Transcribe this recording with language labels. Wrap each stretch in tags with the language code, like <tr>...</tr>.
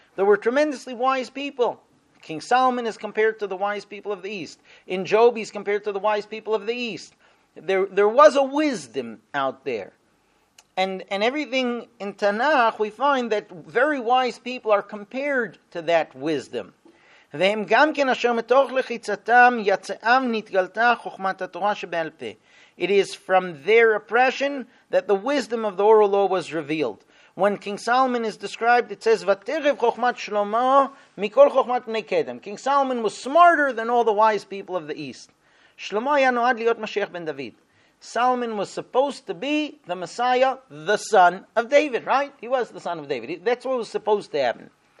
<en>There were tremendously wise people. King Solomon is compared to the wise people of the East. In Job, he's compared to the wise people of the East. There was a wisdom out there. And everything in Tanakh, we find that very wise people are compared to that wisdom.</en> <he>והם גם כן אשר מתוך לחיצתם יצאם נתגלתה חוכמת התורה שבעל פה.</he> <en>It is from their oppression that the wisdom of the oral law was revealed. When King Solomon is described, it says,</en> <he>ותרב חוכמת שלמה מכל חוכמת בני קדם.</he> <en>King Solomon was smarter than all the wise people of the East.</en> <he>שלמה היה נועד להיות משיח בן דוד.</he> <en>Solomon was supposed to be the Messiah, the son of David, right? He was the son of David. That's what was supposed to happen.</en>